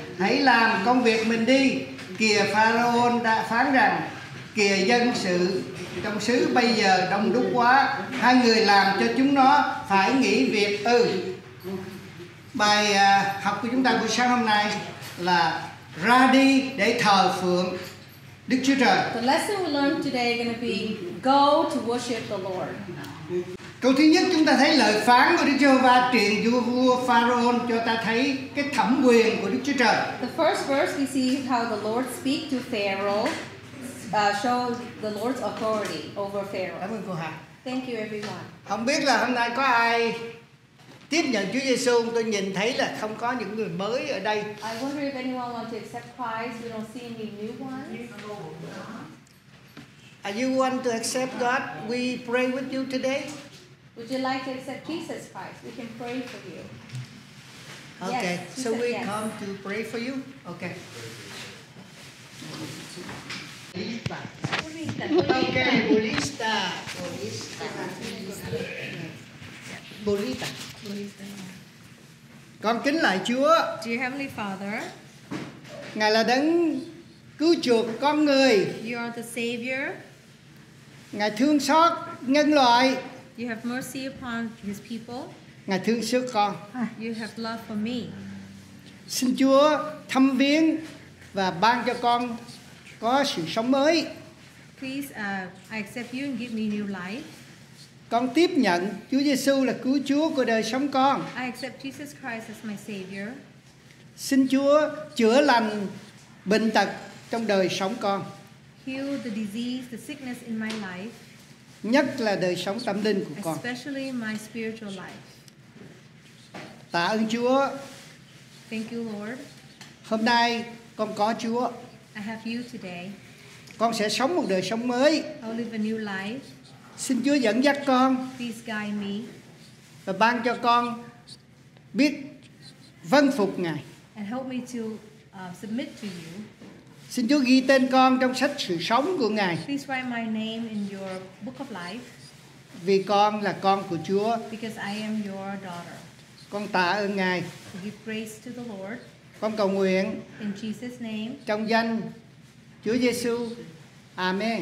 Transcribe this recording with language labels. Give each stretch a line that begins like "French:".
Vietnamese: Hãy làm công việc mình đi." Kìa, Pharaoh đã phán rằng, "Kìa, dân sự trong xứ bây giờ đông đúc quá, hai người làm cho chúng nó phải nghỉ việc ư?" Bài học của chúng ta buổi sáng hôm nay là ra đi để thờ phượng Đức Chúa Trời.
English: The lesson we learned today is going to be go to worship the Lord.
Vietnamese: Câu thứ nhất, chúng ta thấy lời phán của Đức Chúa truyền cho vua Pharaoh cho ta thấy cái thẩm quyền của Đức Chúa Trời.
English: The first verse we see how the Lord speak to Pharaoh, shows the Lord's authority over Pharaoh.
Vietnamese: Cảm ơn cô Hà.
English: Thank you everyone.
Vietnamese: Không biết là hôm nay có ai tiếp nhận Chúa Giêsu, tôi nhìn thấy là không có những người mới ở đây.
English: I wonder if anyone wants to accept Christ. We don't see any new ones. Are you want to accept God? We pray with you today. Would you like to accept Jesus Christ? We can pray for you. Okay, yes, so we yes. come to pray for you. Okay. Okay, Bolista. Bolita.
Vietnamese: Con kính lạy Chúa.
English: Dear Heavenly Father,
Vietnamese: Ngài là đấng cứu chuộc con người.
English: You are the Savior.
Vietnamese: Ngài thương xót nhân loại.
English: You have mercy upon His people.
Vietnamese: Ngài thương xót con.
English: You have love for me.
Vietnamese: Xin Chúa thăm viếng và ban cho con có sự sống mới.
English: please, I accept you and give me new life.
Vietnamese: Con tiếp nhận Chúa Giêsu là cứu Chúa của đời sống con.
English: I accept Jesus Christ as my savior.
Vietnamese: Xin Chúa chữa lành bệnh tật trong đời sống con.
English: Heal the disease, the sickness in my life.
Vietnamese: Nhất là đời sống tâm linh của con.
English: Especially my spiritual life.
Vietnamese: Tạ ơn Chúa.
English: Thank you, Lord.
Vietnamese: Hôm nay con có Chúa.
English: I have you today.
Vietnamese: Con sẽ sống một đời sống mới.
English: I'll live a new life.
Vietnamese: Xin Chúa dẫn dắt con.
English: Please guide me.
Vietnamese: Và ban cho con biết vâng phục Ngài.
English: And help me to submit to you.
Vietnamese: Xin Chúa ghi tên con trong sách sự sống của Ngài.
English: Please write my name in your book of life.
Vietnamese: Vì con là con của Chúa.
English: Because I am your daughter.
Vietnamese: Con tạ ơn Ngài.
English: I give praise to the Lord.
Vietnamese: Con cầu nguyện.
English: In Jesus' name.
Vietnamese: Trong danh Chúa Giêsu. Amen.